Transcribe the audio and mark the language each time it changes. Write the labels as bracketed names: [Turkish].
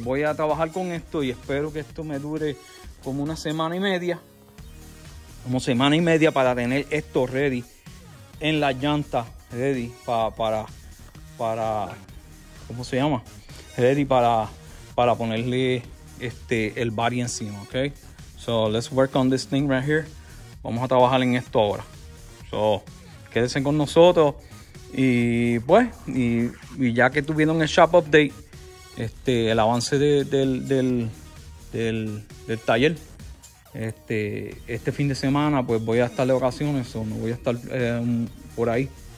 [Spanish] Voy a trabajar con esto y espero que esto me dure como una semana y media. Como semana y media para tener esto ready en la llanta, ready para ¿cómo se llama? Ready para ponerle el body encima, ok. [English] So let's work on this thing right here. [Spanish] Vamos a trabajar en esto ahora. So quédense con nosotros. Y pues, y ya que tuvieron el shop update, el avance del taller, este fin de semana, pues voy a estar de vacaciones, o no voy a estar por ahí.